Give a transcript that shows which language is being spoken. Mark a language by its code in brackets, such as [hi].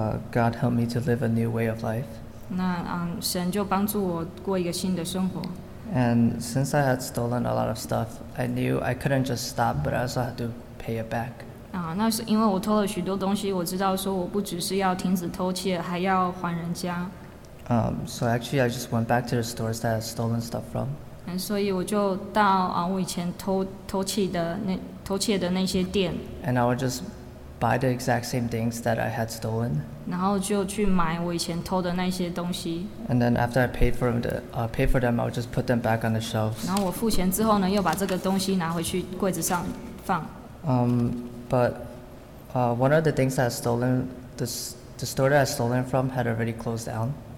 [en] God helped me to live a new way of life. [zh] 那神就帮助我过一个新的生活。 [en] And since I had stolen a lot of stuff, I knew I couldn't just stop, but I also had to pay it back. [zh] 那是因为我偷了许多东西，我知道说我不只是要停止偷窃，还要还人家。 [en] So actually, I just went back to the stores that I had stolen stuff from. [zh] 所以我就到我以前偷窃的那些店。 [en] And I would just buy the exact same things that I had stolen. [zh] 然后就去买我以前偷的那些东西。 [en] And then after I paid for them, I would just put them back on the shelves. [zh] 然后我付钱之后呢，又把这个东西拿回去柜子上放。 [en] But one of the things that I stolen, the store that I stolen from had already closed down.